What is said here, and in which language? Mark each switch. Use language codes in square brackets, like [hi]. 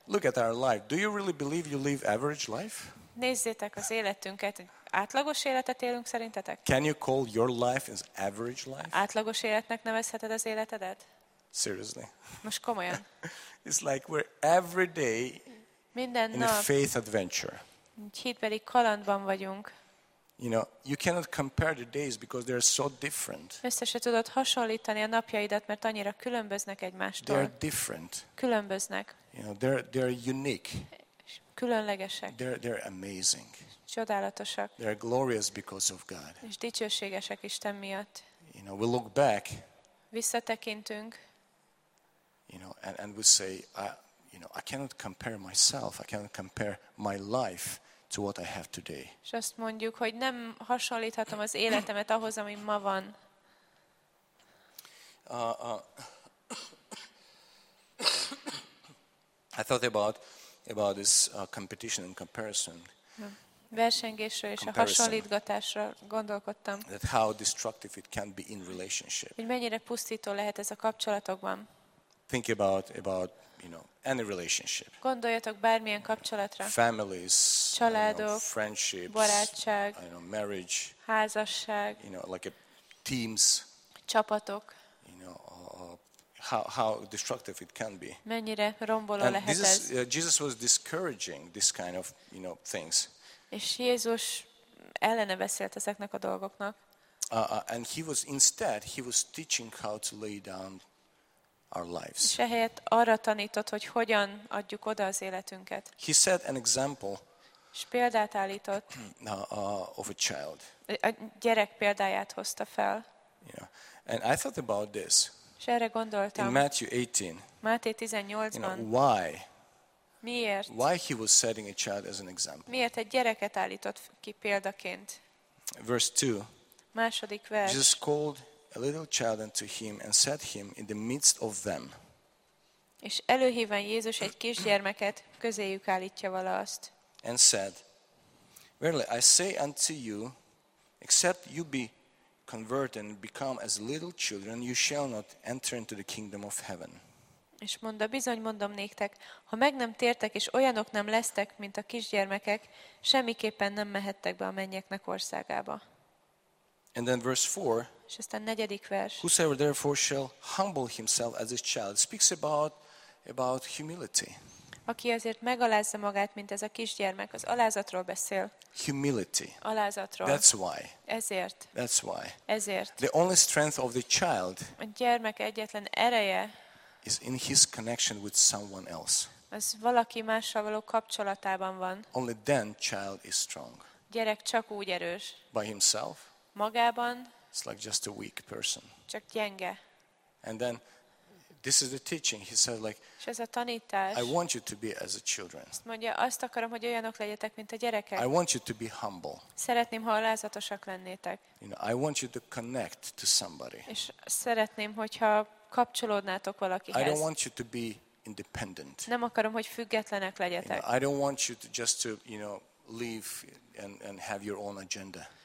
[en] Look at our life. Do you really believe you live average life? [hu] Nézzétek az életünket. Átlagos életet élünk szerintetek? [en] Can you call your life as average life? [hu] Átlagos életnek nevezheted az életedet? [en] Seriously. [hu] Most komolyan. [en] It's like we're every day [hu] minden [en] in [hu] nap [en] a faith adventure. [hu] Hitbeli kalandban vagyunk. [en] You know, you cannot compare the days because they are so different. [hu] Össze se tudod hasonlítani a napjaidat, mert annyira különböznek egymástól. [en] They are different. [hu] Különböznek. [en] You know, they're unique. [hu] Különlegesek. [en] They're amazing. [hu] Csodálatosak. [en] They are glorious because of God. [hu] És dicsőségesek Isten miatt. [en] You know, we look back. [hu] Visszatekintünk. [en] You know, and we say, I cannot compare myself. I cannot compare my life to what I have today. [hu] És azt mondjuk, hogy nem hasonlíthatom az életemet ahhoz, ami ma van. [en] I thought about this competition and comparison. [hu] Versengésről és a hasonlítgatásra gondolkodtam. [en] That how destructive it can be in relationship. [hu] Hogy mennyire pusztító lehet ez a kapcsolatokban. [en] Think about you know any relationship. [hu] Gondoljatok bármilyen kapcsolatra. [en] Families, [hu] családok, [en] friendships, [hu] barátság, [en] marriage, [hu] házasság, [en] you know like teams, [hu] csapatok. [en] You know how destructive it can be. [hu] Mennyire romboló [en] and [hu] lehet [en] Jesus, [hu] ez. [en] Jesus was discouraging this kind of you know things. [hu] És Jézus ellene beszélt ezeknek a dolgoknak. [en] And he was teaching how to lay down our lives. [hu] És ehelyett arra tanított, hogy hogyan adjuk oda az életünket. [en] He set an example. [hu] És példát állított. [en] Of a child. [hu] A gyerek példáját hozta fel. [en] Yeah. And I thought about this. [hu] És erre gondoltam. [en] In Matthew 18. [hu] Máté 18-ban. [en] You know, why? [hu] Miért? [en] Why he was setting a child as an example? [hu] Miért egy gyereket állított ki példaként? [en] Verse 2. [hu] Második vers. [en] Jesus called a little child unto him and set him in the midst of them. [hu] És előhíván Jézus egy kisgyermeket közéjük állítja vala azt. [en] And said, verily I say unto you, except you be converted and become as little children, you shall not enter into the kingdom of heaven. [hu] És mondta, bizony mondom néktek, ha meg nem tértek, és olyanok nem lesztek, mint a kisgyermekek, semmiképpen nem mehettek be a mennyeknek országába. [en] And then verse 4. [hu] És aztán negyedik vers. [en] Whosoever therefore shall humble himself as this child speaks about humility. [hu] Aki azért megalázza magát, mint ez a kisgyermek, az alázatról beszél. [en] Humility. [hu] Alázatról. [en] That's why. [hu] Ezért. [en] That's why. [hu] Ezért. [en] The only strength of the child. [hu] A gyermek egyetlen ereje. [en] Is in his connection with someone else. [hu] Az valaki mással való kapcsolatában van. [en] Only then child is strong. [hu] Gyerek csak úgy erős. [en] By himself. [hu] Magában. [en] It's like just a weak person. [hu] Csak gyenge. [en] And then This is the teaching. He said, like, [hu] és ez a tanítás. [en] I want you to be as a children. [hu] Azt mondja, azt akarom, hogy olyanok legyetek, mint a gyerekek. [en] I want you to be humble. [hu] Szeretném, ha alázatosak lennétek. [en] You know, I want you to connect to somebody. [hu] És szeretném, hogyha kapcsolódnátok valakihez. [en] I don't want you to be independent. [hu] Nem akarom, hogy függetlenek legyetek. [en] You know, I don't want you to just to, you know, leave and have your own agenda.